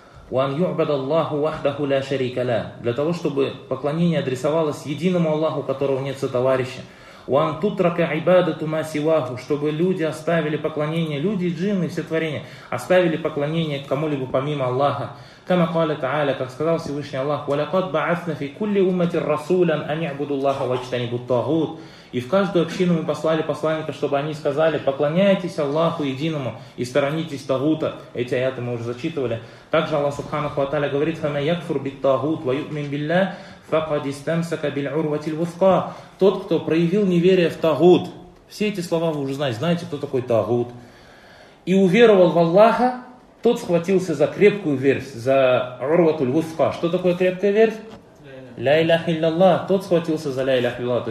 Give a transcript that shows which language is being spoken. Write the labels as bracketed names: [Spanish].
[Arabic] وَأَنْ يُعْبَدَ اللَّهُ وَحْدَهُ لَا شَرِيكَ لَهُ. [Russian] Для того, чтобы поклонение адресовалось единому Аллаху, у которого нет сотоварища. [Arabic] وَأَنْ تُتْرَكَ عِبَادَةُ مَا سِوَاهُ. [Russian] Чтобы люди оставили поклонение, люди, джинны, все творения, оставили поклонение кому-либо помимо Аллаха. [Arabic] كما قال تعالى, [Russian] как сказал Всевышний Аллах, [Arabic] وَلَقَدْ بَعَثْنَا فِي كُلِّ أُمَّةٍ رَسُولًا أَنْ يَعْبُدُوا اللَّهَ وَاجْتَنِبُوا الطَّاغُوتَ. [Russian] И в каждую общину мы послали посланника, чтобы они сказали: поклоняйтесь Аллаху единому и сторонитесь тагута. Эти аяты мы уже зачитывали. Также Аллах Субханаху ва Тааля говорит: [Arabic] فَمَنْ يَكْفُرْ بِالطَّاغُوتِ وَيُؤْمِنْ بِاللَّهِ فَقَدْ اسْتَمْسَكَ بِالْعُرْوَةِ الْوُثْقَى. [Russian] Тот, кто проявил неверие в тагут. Все эти слова вы уже знаете. Знаете, кто такой тагут? И уверовал в Аллаха, тот схватился за крепкую верфь, за урвату львуфа. Что такое крепкая верфь? Ля иляха илляллах. Тот схватился за ля иляха илляллах.